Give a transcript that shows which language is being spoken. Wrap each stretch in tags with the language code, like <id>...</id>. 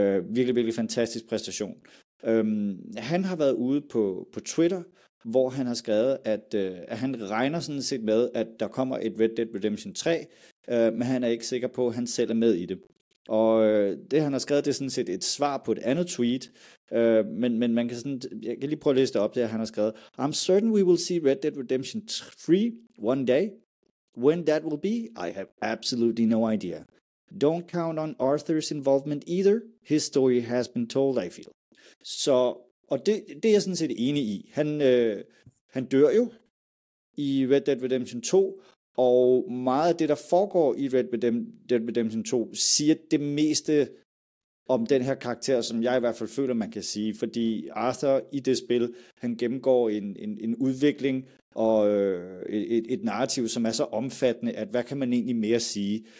<da>Virkelig, virkelig fantastisk præstation. Han har været ude på Twitter, hvor han har skrevet, at han regner sådan set med, at der kommer et Red Dead Redemption 3, men han er ikke sikker på, at han selv er med i det. Og det, han har skrevet, det er sådan set et svar på et andet tweet, men man kan sådan, jeg kan lige prøve at læse det op, det han har skrevet.</da> <en>I'm certain we will see Red Dead Redemption 3 one day. When that will be, I have absolutely no idea. Don't count on Arthur's involvement either. His story has been told, I feel.</en> <da>Så... Og det er jeg sådan set enig i. Han dør jo i Red Dead Redemption 2, og meget af det, der foregår i Red Dead Redemption 2, siger det meste om den her karakter, som jeg i hvert fald føler, man kan sige. Fordi Arthur i det spil, han gennemgår en udvikling og et narrativ, som er så omfattende, at hvad kan man egentlig mere sige?</da>